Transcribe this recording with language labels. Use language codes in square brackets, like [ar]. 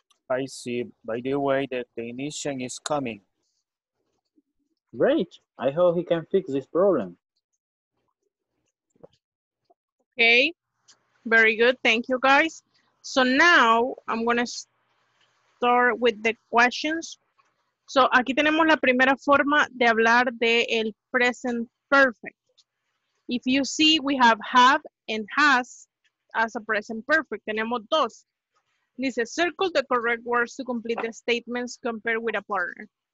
[en] I see. By the way, the technician is coming. Great. I hope he can fix this problem. Okay. Very good. Thank you, guys. So now I'm going to start with the questions. [es] So aquí tenemos la primera forma de hablar de el present perfect. [en] If you see, we have have and has as a present perfect. [es] Tenemos dos. [en] Dice, circle the correct words to complete the statements compared with a partner.